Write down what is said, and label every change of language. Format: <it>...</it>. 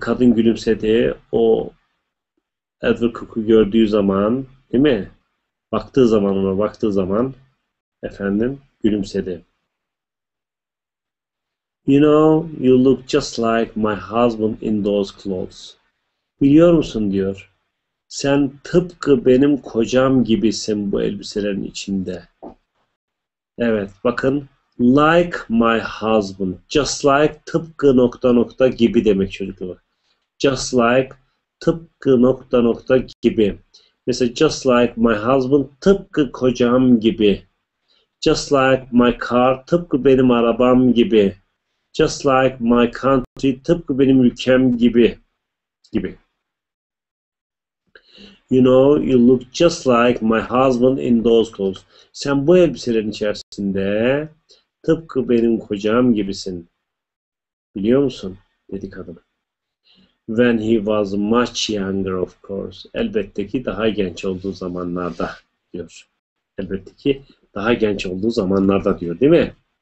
<tr>Kadın gülümsedi. O Edward Cook'u gördüğü zaman, değil mi? Baktığı zaman ona, baktığı zaman efendim gülümsedi.</tr> <en>You know, you look just like my husband in those clothes.</en> <tr>Biliyor musun diyor. Sen tıpkı benim kocam gibisin bu elbiselerin içinde. Evet, bakın.</tr> <en>Like my husband. Just like</en> <tr>tıpkı nokta nokta gibi demek çocuklar. Just like tıpkı nokta nokta gibi. Mesela</tr> <en>just like my husband</en> <tr>tıpkı kocam gibi.</tr> <en>Just like my car</en> <tr>tıpkı benim arabam gibi.</tr> <en>Just like my country</en> <tr>tıpkı benim ülkem gibi. Gibi.</tr> <en>You know, you look just like my husband in those clothes.</en> <tr>Sen bu elbiselerin içerisinde tıpkı benim kocam gibisin. Biliyor musun? Dedi kadın.</tr> <en>When he was much younger, of course.</en> <tr>Elbette ki daha genç olduğu zamanlarda diyor. Elbette ki daha genç olduğu zamanlarda diyor, değil mi?</tr>